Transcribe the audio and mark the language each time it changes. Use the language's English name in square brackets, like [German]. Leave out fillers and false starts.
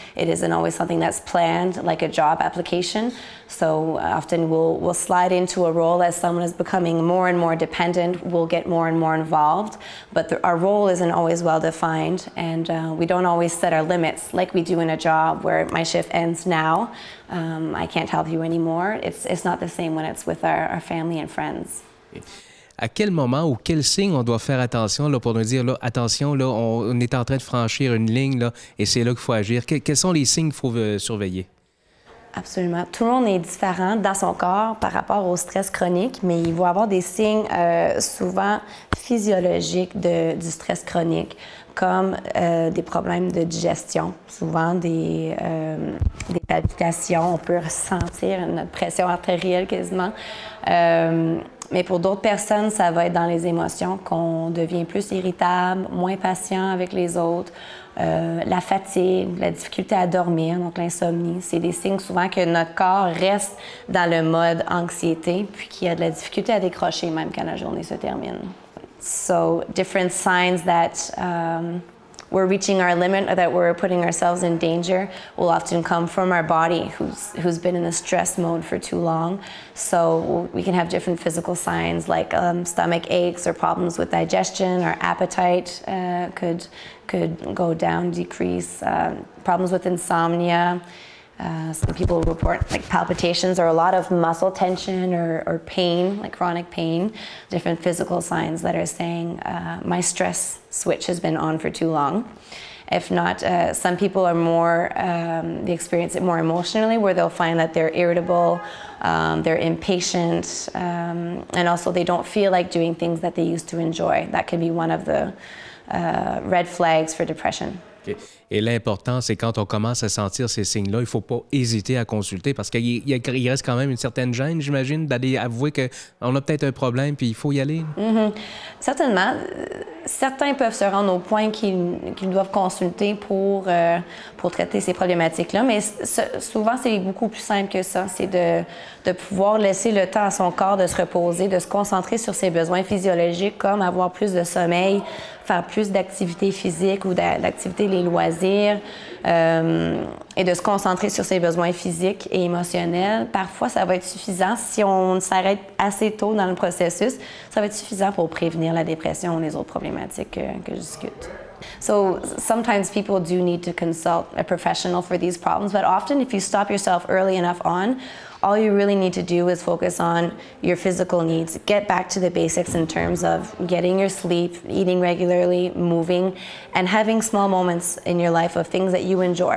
[English] It isn't always something that's planned, like a job application. So, often we'll slide into a role as someone is becoming more and more dependent, we'll get more and more involved. But our role isn't always well defined, and we don't always set our limits like we do in a job where my shift ends now. I can't help you anymore. It's not the same when it's with our family and friends. [French] À quel moment ou quel signe on doit faire attention là, pour nous dire, là, attention, là, on est en train de franchir une ligne là, et c'est là qu'il faut agir? Quels sont les signes qu'il faut surveiller? Absolument. Tout le monde est différent dans son corps par rapport au stress chronique, mais il va y avoir des signes souvent physiologiques du stress chronique, comme des problèmes de digestion, souvent des palpitations. On peut ressentir notre pression artérielle quasiment. Mais pour d'autres personnes, ça va être dans les émotions, qu'on devient plus irritable, moins patient avec les autres, la fatigue, la difficulté à dormir, donc l'insomnie. C'est des signes souvent que notre corps reste dans le mode anxiété, puis qu'il y a de la difficulté à décrocher même quand la journée se termine. [English] So, different signs that we're reaching our limit or that we're putting ourselves in danger will often come from our body, who's been in a stress mode for too long. So we can have different physical signs like stomach aches or problems with digestion or appetite could go down, decrease, problems with insomnia, Some people report like palpitations or a lot of muscle tension or pain, like chronic pain, different physical signs that are saying my stress switch has been on for too long. If not, some people are more, they experience it more emotionally where they'll find that they're irritable, they're impatient, and also they don't feel like doing things that they used to enjoy. That can be one of the red flags for depression. [French] Et l'important, c'est quand on commence à sentir ces signes-là, il ne faut pas hésiter à consulter parce qu'il reste quand même une certaine gêne, j'imagine, d'aller avouer qu'on a peut-être un problème puis il faut y aller. Mm-hmm. Certainement. Certains peuvent se rendre au point qu'ils doivent consulter pour traiter ces problématiques-là, mais souvent, c'est beaucoup plus simple que ça. C'est de pouvoir laisser le temps à son corps de se reposer, de se concentrer sur ses besoins physiologiques, comme avoir plus de sommeil, faire plus d'activités physiques ou d'activités, les loisirs, et de se concentrer sur ses besoins physiques et émotionnels. Parfois, ça va être suffisant si on s'arrête assez tôt dans le processus. Ça va être suffisant pour prévenir la dépression ou les autres problématiques que je discute. [English] So sometimes people do need to consult a professional for these problems, but often if you stop yourself early enough on, all you really need to do is focus on your physical needs. Get back to the basics in terms of getting your sleep, eating regularly, moving, and having small moments in your life of things that you enjoy.